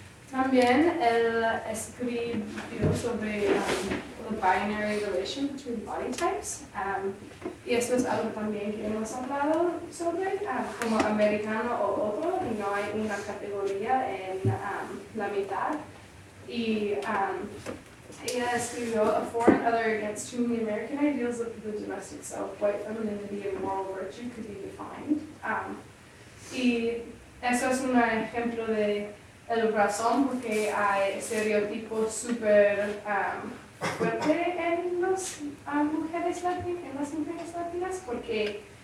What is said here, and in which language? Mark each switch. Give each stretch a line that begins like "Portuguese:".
Spanish: También él escribió sobre
English: the binary relation between body types.
Spanish: Y esto es algo también que hemos hablado sobre, como americano o otro, y no hay una categoría en la mitad. Y ella escribió,
English: a foreign other against too many American ideals of the domestic self, white femininity and moral virtue could be defined.
Spanish: Y eso es un ejemplo de el razón porque hay estereotipos súper fuerte en las mujeres latinas, en las mujeres latinas, porque